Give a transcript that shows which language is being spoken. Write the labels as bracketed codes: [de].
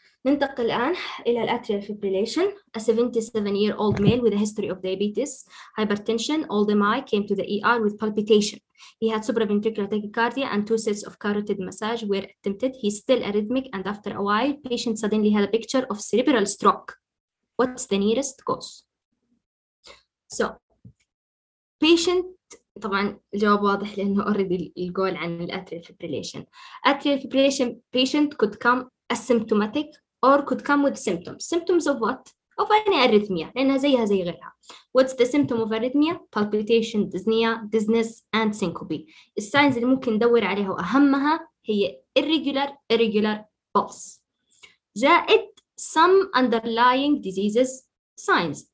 [ar] ننتقل الآن إلى الأتريال فيبريليشن. [en] A 77-year-old male with a history of diabetes, hypertension, old MI, came to the ER with palpitation. He had supraventricular tachycardia and two sets of carotid massage were attempted. He's still arrhythmic and after a while, patient suddenly had a picture of cerebral stroke. What's the nearest cause? So, patient, [ar] طبعاً الجواب واضح لأنه [en] already [ar] الجول عن الأتريال فيبريليشن. [en] Atrial fibrillation patient could come asymptomatic or could come with symptoms. Symptoms of what? Of any arrhythmia, [ar] لأنها زيها زي غيرها. [en] What's the symptom of arrhythmia? Palpitation, dyspnea, dizziness, and syncope. The signs [ar] اللي ممكن ندور عليها وأهمها هي irregular pulse. زائد [en] some underlying diseases signs.